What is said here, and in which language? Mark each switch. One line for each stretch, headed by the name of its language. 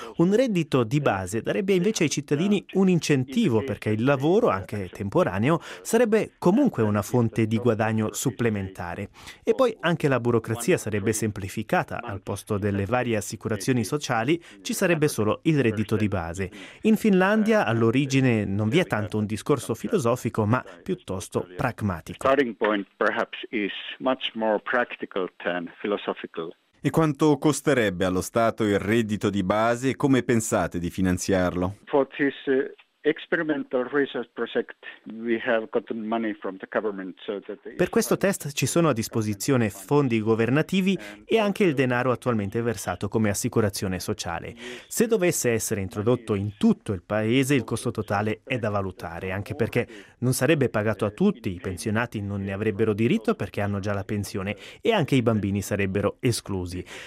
Italian: Un reddito di base darebbe invece ai cittadini un incentivo perché il lavoro, anche temporaneo, sarebbe comunque una fonte di guadagno supplementare. E poi anche la burocrazia sarebbe semplificata, al posto delle varie assicurazioni sociali ci sarebbe solo il reddito di base. In Finlandia all'origine non vi è tanto un discorso filosofico, ma piuttosto pragmatico.
English: Starting point perhaps is much more practical than philosophical.
Italian: E quanto costerebbe allo Stato il reddito di base e come pensate di finanziarlo?
English: For this experimental research project we have gotten money from the government, so that
Italian: per questo test ci sono a disposizione fondi governativi e anche il denaro attualmente versato come assicurazione sociale. Se dovesse essere introdotto in tutto il paese, il costo totale è da valutare, anche perché non sarebbe pagato a tutti, i pensionati non ne avrebbero diritto perché hanno già la pensione e anche i bambini sarebbero esclusi.